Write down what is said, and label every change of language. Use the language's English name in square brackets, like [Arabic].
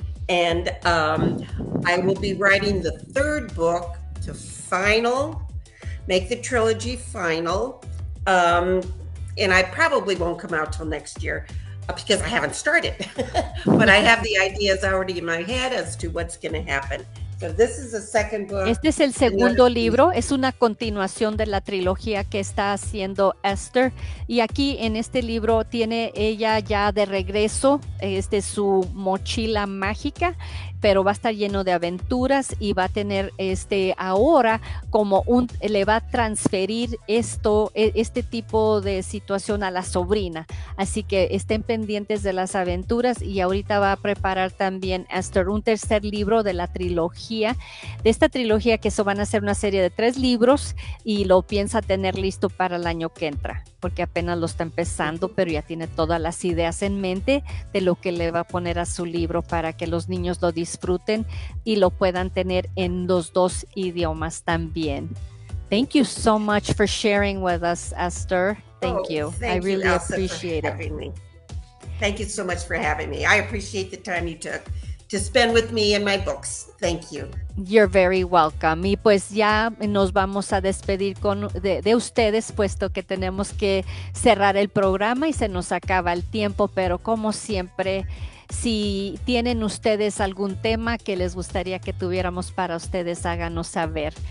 [English] And I will be writing the third book to final, make the trilogy final. And I probably won't come out till next year because I haven't started. But I have the ideas already in my head as to what's going to happen. So this is the second book. [Spanish] Este es el segundo libro. Es una continuación de la trilogía que está haciendo Esther. Y aquí en este libro tiene ella ya de regreso su mochila mágica, pero va a estar lleno de aventuras y va a tener ahora como un, le va a transferir esto, este tipo de situación a la sobrina. Así que estén pendientes de las aventuras y ahorita va a preparar también Esther un tercer libro de la trilogía, de esta trilogía que eso van a ser una serie de tres libros y lo piensa tener listo para el año que entra, porque apenas lo está empezando, pero ya tiene todas las ideas en mente de lo que le va a poner a su libro para que los niños lo disfruten y lo puedan tener en los dos idiomas también. [English] Thank you so much for sharing with us, Esther. Thank you. Thank I really you, Elsa, appreciate for it. Me. Thank you so much for having me. I appreciate the time you took to spend with me and my books. Thank you. You're very welcome. [Spanish] Y pues ya nos vamos a despedir con de ustedes, puesto que tenemos que cerrar el programa y se nos acaba el tiempo, pero como siempre, si tienen ustedes algún tema que les gustaría que tuviéramos para ustedes, háganos saber.